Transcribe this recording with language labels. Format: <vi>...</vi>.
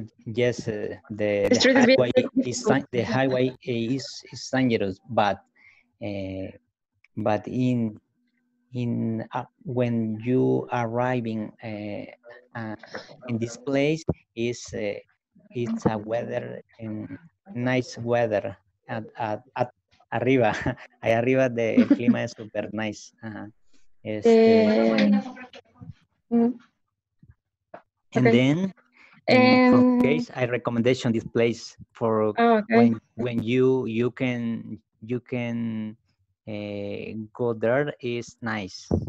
<en>Yes, the highway is dangerous, but when you arriving in this place is it's a weather and nice weather at</en> <es>arriba. Ahí arriba de el clima es</es> <en>super nice. Okay. And then I recommendation this place for when you can go there is nice.</en>